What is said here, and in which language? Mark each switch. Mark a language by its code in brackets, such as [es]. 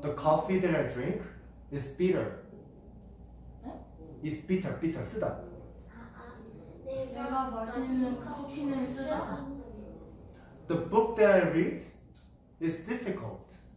[en] The coffee that I drink is bitter. [ko] 응? [en] Is bitter, bitter, [ko] 쓰다. 내가 마시는 커피는 쓰다. [en] The book that I read is difficult.